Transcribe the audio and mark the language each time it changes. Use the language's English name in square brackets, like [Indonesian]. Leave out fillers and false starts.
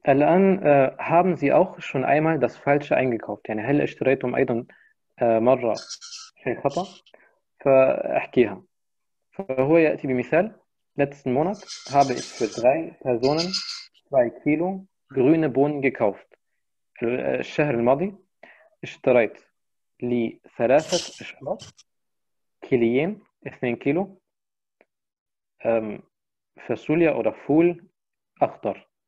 [Arabic] الآن [German] haben Sie auch schon einmal das Falsche eingekauft؟ [Arabic] يعني هل اشتريتم أيضا مرة شيء خطأ؟ فأحكيها. فهو يأتي بمثال. [German] Letzten Monat habe ich für 3 Personen 2 Kilo grüne Bohnen gekauft. [Arabic] الشهر الماضي اشتريت لثلاثة أشخاص كيليين 2 كيلو فاصوليا أو فول أخضر.